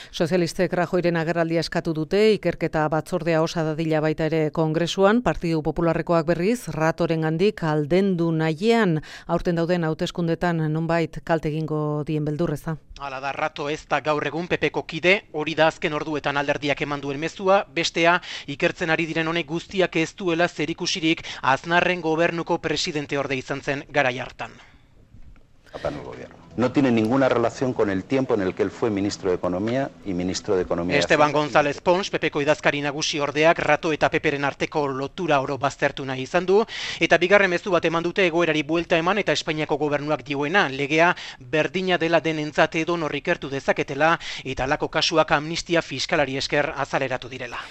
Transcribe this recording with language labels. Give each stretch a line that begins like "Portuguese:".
Basque: Sozialistek Rajoyren agerraldia eskatu dute, ikerketa batzordea osa dadila baita ere Kongresuan, Partidu Popularrekoak berriz, Ratoren gandik aldendu nahiean, aurten dauden hauteskundetan nonbait kalte egingo dien beldurreza. Hala da, Rato ez da gaur egun PP-ko kide, hori da azken orduetan alderdiak eman duen mezua, bestea, ikertzen ari diren honek guztiak ez duela zerikusirik Aznarren gobernuko presidente orde izan zen garai hartan.
Spanish: No tiene ninguna relación con el tiempo en el que él fue ministro de Economía y ministro de Economía.
Basque: Esteban González Pons, PP-ko idazkari nagusi ordeak, Rato eta PP-ren arteko lotura oro baztertu nahi izan du, eta bigarren mezu bat eman dute egoerari buelta eman eta Espainiako gobernuak dioena, legea berdina dela denentzat edo norrikertu dezaketela, eta lako kasuak amnistia fiskalari esker azaleratu direla.